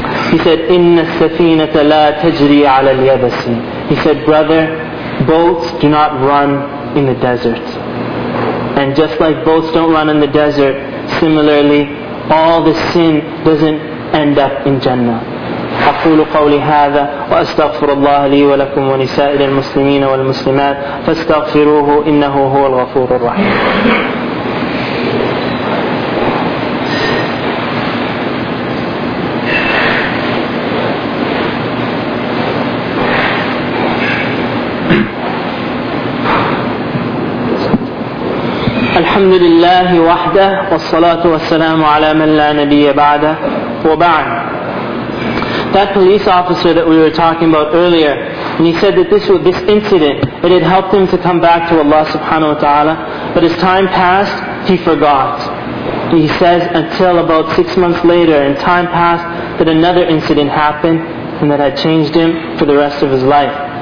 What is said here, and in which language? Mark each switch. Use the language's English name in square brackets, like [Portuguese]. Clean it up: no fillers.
[English] He said, [Arabic] إِنَّ السَّفِينَةَ لَا تَجْرِي عَلَى الْيَبَسِ. [English] He said, brother, boats do not run in the desert. And just like boats don't run in the desert, similarly, all the sin doesn't end up in Jannah. [Arabic] أقول قولي هذا وأستغفر الله لي ولكم ولسائر المسلمين والمسلمات فاستغفروه إنه هو الغفور الرحيم. الحمد لله وحده والصلاة والسلام على من لا نبي بعده وبعد. [English] That police officer that we were talking about earlier, and he said that this incident, it had helped him to come back to Allah subhanahu wa ta'ala, but as time passed, he forgot. He says, until about 6 months later, and time passed, that another incident happened, and that had changed him for the rest of his life.